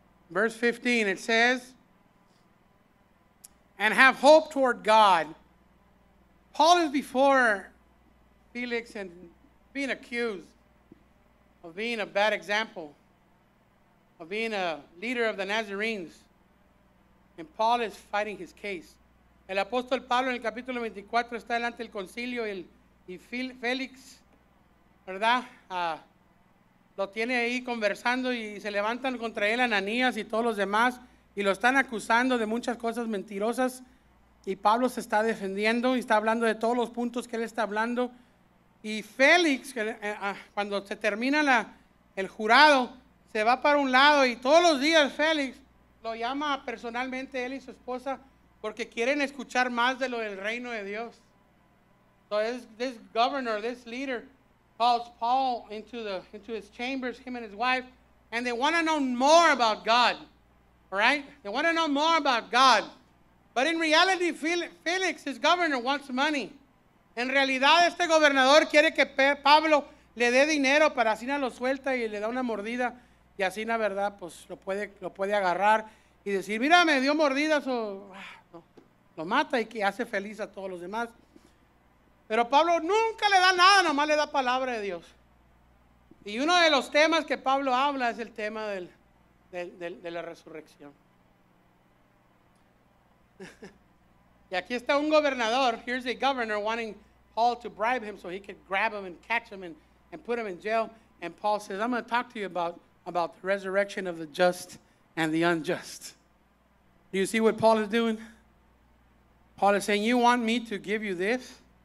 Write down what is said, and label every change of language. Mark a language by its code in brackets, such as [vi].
[en] Verse 15, it says, and have hope toward God. Paul is before Felix and being accused of being a bad example, of being a leader of the Nazarenes. And Paul is fighting his case. [es] El apóstol Pablo en el capítulo 24 está delante del concilio y Félix, ¿verdad? Lo tiene ahí conversando y se levantan contra él Ananías y todos los demás y lo están acusando de muchas cosas mentirosas y Pablo se está defendiendo y está hablando de todos los puntos que él está hablando. Y Félix, cuando se termina el jurado, se va para un lado y todos los días Félix lo llama personalmente, él y su esposa, Porque quieren escuchar más de lo del reino de Dios. [en] So this governor, this leader, calls Paul into his chambers, him and his wife, and they want to know more about God. All right? They want to know more about God. But in reality, Felix, his governor, wants money. [es] En realidad, este gobernador quiere que Pablo le dé dinero para así no lo suelta y le da una mordida. Y así, la verdad, pues lo puede agarrar y decir, mira, me dio mordidas o lo mata y que hace feliz a todos los demás. Pero Pablo nunca le da nada, nomás le da palabra de Dios. Y uno de los temas que Pablo habla es el tema de la resurrección. Y aquí está un gobernador, [en] here's a governor wanting Paul to bribe him so he could grab him and catch him and put him in jail. And Paul says, I'm going to talk to you about the resurrection of the just and the unjust. Do you see what Paul is doing? Paul is saying, you want me to give you this?